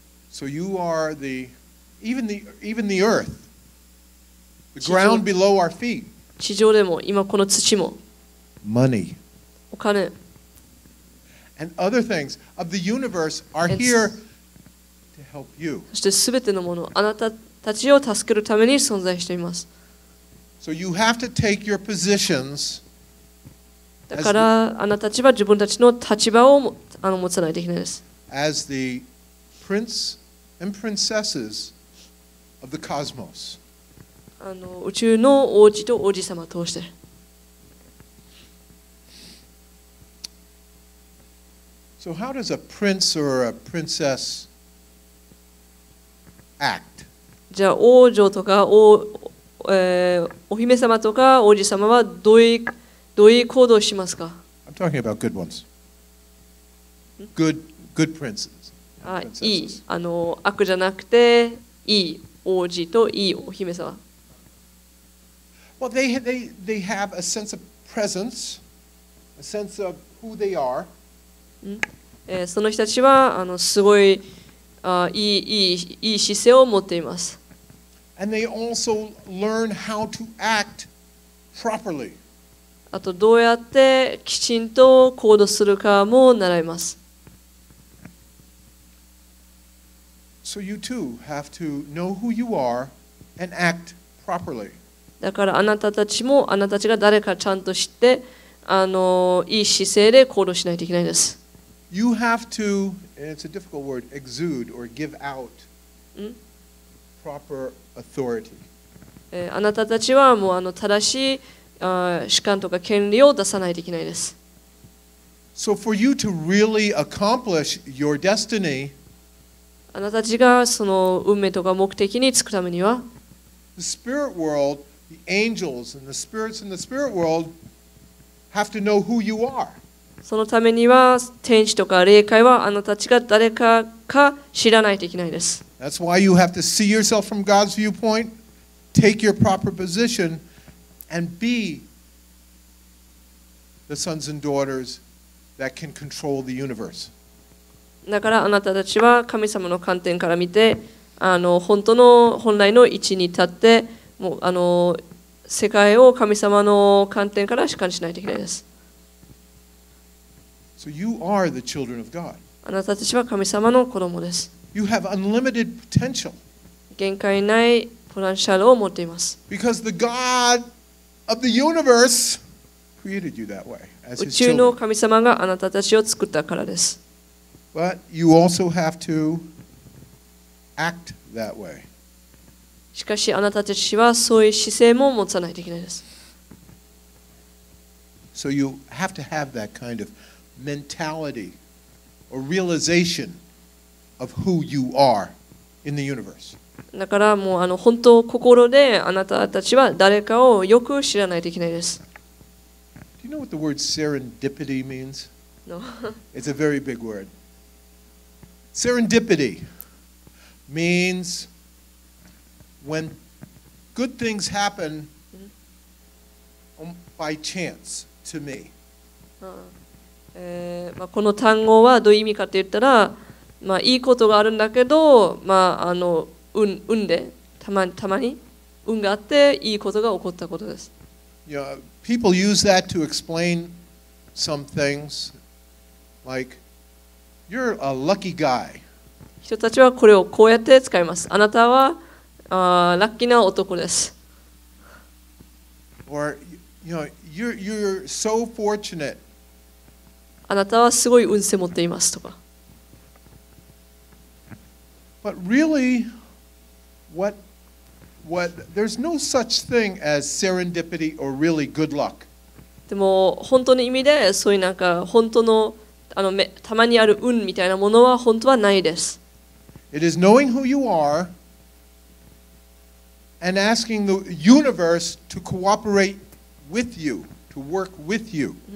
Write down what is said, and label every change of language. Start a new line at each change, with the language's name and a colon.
English: So you are the, even the earth, the ground below our feet.
Japanese: 地上でも今この土も、
English: Money.
Japanese: お金、
English: And other things of the universe are here to help you.
Japanese: そしてすべてのもの、あなたたちを助けるために存在しています。
English: So you have to take your positions.
Japanese: だからあなたたちは自分たちの立場を持たないといけないです。
English: As the prince and princesses of the cosmos.
Japanese: あの宇宙の王子と王子様を通して。
English: So how does a prince or a princess act?
Japanese: じゃあ王女とか王、お姫様とか王子様はどういう行動をしますか？
English: I'm talking about good ones. Good princes.
Japanese: いい、あの悪じゃなくていい王子といいお姫様。
English: Well, they have a sense of presence, a sense of who they are.
Japanese: その人たちはあのすごいいい姿勢を持っています。
English: And they also learn how to act properly.
Japanese: あとどうやってきちんと行動するかも習います。
English: So you too have to know who you are and act properly.
Japanese: だからあなたたちもあなたたちが誰かちゃんと知ってあのいい姿勢で行動しないといけないです。
English: You have to, and it's a difficult word, exude or give out proper authority.
Japanese: あなたたちはもうあの正しい主観とか権利を出さないといけないです。
English: So for you to really accomplish your destiny,
Japanese: あなたたちがその運命とか目的につくためには、
English: the spirit world, the angels and the spirits in the spirit world have to know who you are.
Japanese: そのためには天使とか霊界はあなたたちが誰かか知らないといけないです。
English: That's why you have to see yourself from God's viewpoint, take your proper position, and be the sons and daughters that can control the universe.
Japanese: だからあなたたちは神様の観点から見て、あの本当の本来の位置に立って、もうあの世界を神様の観点から主観しないといけないです。
English: So you are the children of God.
Japanese: あなたたちは神様の子供です。
English: You have unlimited potential.
Japanese: 限界ないポテンシャルを持っています。
English: Because the God of the universe created you that way, as his
Japanese: 宇宙の神様があなたたちを作ったからです。
English: But you also have to act that way.
Japanese: しかしあなたたちはそういう姿勢も持たないといけないです。
English: So you have to have that kind of mentality or realization of who you are in the universe.
Japanese: だからもうあの本当心であなたたちは誰かをよく知らないといけないです。
English: Do you know what the word serendipity means? No. It's a very big word. Serendipity means when good things happen by chance to me.
Japanese: まあ、この単語はどういう意味かって言ったら、まあ、いいことがあるんだけど、まあ、あの 運でたまに運があっていいことが起こったことです。
English: You know, people use that to explain some things like you're a lucky guy.
Japanese: 人たちはこれをこうやって使います。あなたはラッキーな男です。
English: Or you know, you're so fortunate.
Japanese: あなたはすごい運勢持っていますとか。
English: But really, what there's no such thing as serendipity or really good luck.
Japanese: でも本当の意味でそういうなんか本当のあのたまにある運みたいなものは本当はないです。
English: It is knowing who you are and asking the universe to cooperate with you, to work with you.